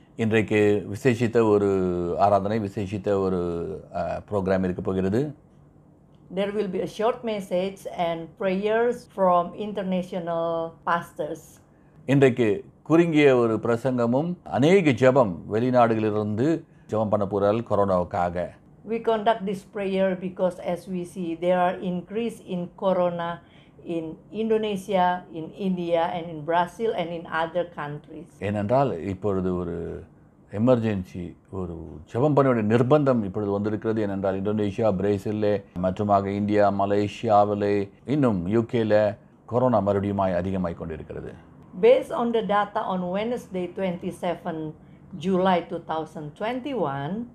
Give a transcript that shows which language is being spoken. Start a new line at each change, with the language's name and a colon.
Tamil: இன்றைக்கு விசேஷித்த ஒரு ஆராதனை, விசேஷித்த ஒரு program இருக்க போகிறது.
English: There will be a short message and prayers from international pastors.
Tamil: இன்றைக்கு குறுங்கிய ஒரு பிரசங்கமும் அநேக ஜெபம் வெளிநாடுகளிலிருந்து ஜெபம் பண்ண போறால் கொரோனாவுக்காக.
English: We conduct this prayer because as we see there are increase in corona in Indonesia, in India and in Brazil and in other countries.
Tamil: ஏனென்றால் இப்பொழுது ஒரு எமர்ஜென்சி, ஒரு ஜெபம் பண்ண வேண்டிய நிர்பந்தம் இப்பொழுது வந்திருக்கிறது. ஏனென்றால் இந்தோனேஷியா, பிரேசிலே மற்றும் இந்தியா, மலேசியாவிலே, இன்னும் யூகேல கொரோனா மறுபடியும் அதிகமாக கொண்டிருக்கிறது.
English: Based on the data on Wednesday 27 July 2021,